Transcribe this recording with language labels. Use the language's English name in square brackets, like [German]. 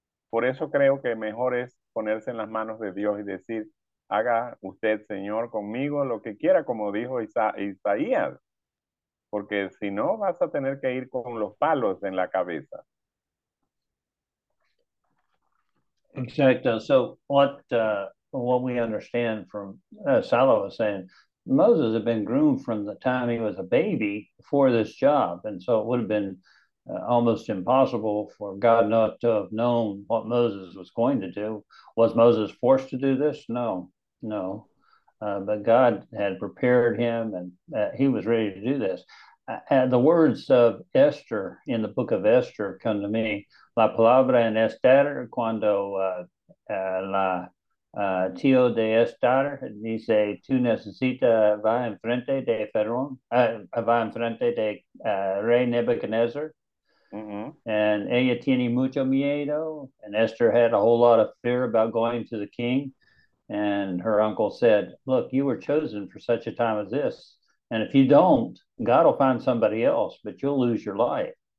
[Spanish] Por eso creo que mejor es ponerse en las manos de Dios y decir, haga usted, Señor, conmigo lo que quiera, como dijo Isaías. Porque si no, vas a tener que ir con los palos en la cabeza. Exacto. [English] So what we understand from Salo was saying, Moses had been groomed from the time he was a baby for this job. And so it would have been almost impossible for God not to have known what Moses was going to do. Was Moses forced to do this? No, no. But God had prepared him and he was ready to do this. The words of Esther in the book of Esther come to me. [Spanish] La palabra en Esther, cuando la tío de Esther dice, tú necesitas va enfrente de Faraón, va enfrente de Rey Nebuchadnezzar. Mm-hmm. And ella tiene mucho miedo. [English] And Esther had a whole lot of fear about going to the king. And her uncle said, look, you were chosen for such a time as this. And if you don't, God will find somebody else, but you'll lose your life.